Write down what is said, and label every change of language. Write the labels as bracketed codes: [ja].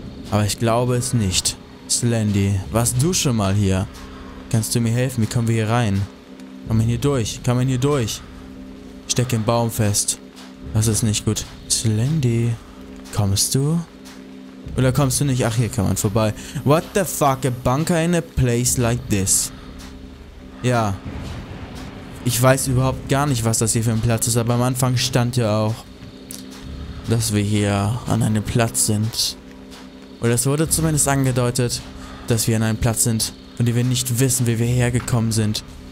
[de] Aber ich glaube es nicht. Slendy, warst du schon mal hier? Kannst du mir helfen? Wie kommen wir hier rein? Kann man hier durch? Kann man hier durch? Ich stecke im Baum fest. Das ist nicht gut. Slendy, kommst du? Oder kommst du nicht? Ach, hier kann man vorbei. [en] What the fuck? A bunker in a place like this? [de] Ja. Ich weiß überhaupt gar nicht, was das hier für ein Platz ist, aber am Anfang stand ja auch, dass wir hier an einem Platz sind. Oder es wurde zumindest angedeutet, dass wir an einem Platz sind, von dem wir nicht wissen, wie wir hergekommen sind.